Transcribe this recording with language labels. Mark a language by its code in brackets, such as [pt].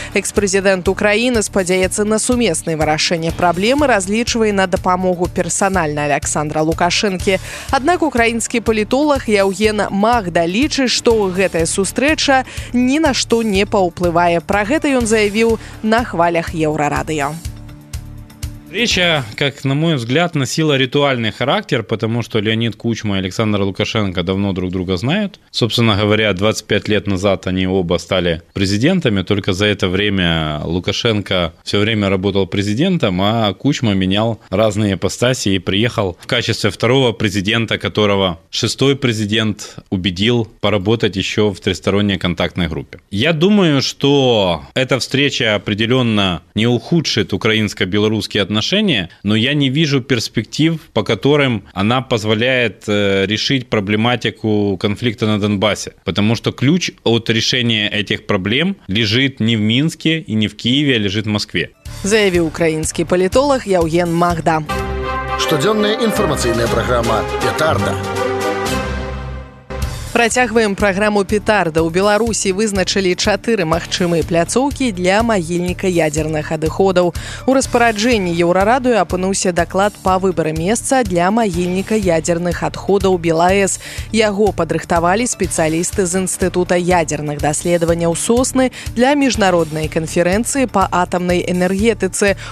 [be] Экс-прэзідэнт Украіны спадзяецца на сумеснае вырашэнне праблемы разлічвае на дапамогу персанальна Аляксандра Лукашэнкі. Аднак украінскі палітолаг Яўген Магда лічыць, што гэтая сустрэча ні на што не паўплывае. Пра гэта ён заявіў на хвалях Еўрарадыё. [ru] Встреча, как на мой взгляд, носила ритуальный характер, потому что Леонид Кучма и Александр Лукашенко давно друг друга знают. Собственно говоря, 25 лет назад они оба стали президентами, только за это время Лукашенко все время работал президентом, а Кучма менял разные ипостаси и приехал в качестве второго президента, которого шестой президент убедил поработать еще в тристоронней контактной группе. Я думаю, что эта встреча определенно не ухудшит украинско-белорусские отношения, но я не вижу перспектив, по которым она позволяет решить проблематику конфликта на Донбассе. Потому что ключ от решения этих проблем лежит не в Минске и не в Киеве, а лежит в Москве. Заявил украинский политолог Яуген Магда. Штодзённая информационная программа «Петарда». [be] Працягваем праграму «Петарда». У Беларусі вызначылі 4 магчымыя пляцоўкі для магільніка ядзерных адыходаў. У распараджэнні Еўрарадыё апынуўся даклад па выбары месца для магільніка ядзерных адходаў БелАЭС. Яго падрыхтавалі спецыялісты з Інстытута ядзерных даследаванняў «Сосны» для міжнароднай канферэнцыі па атамнай энергетыцы.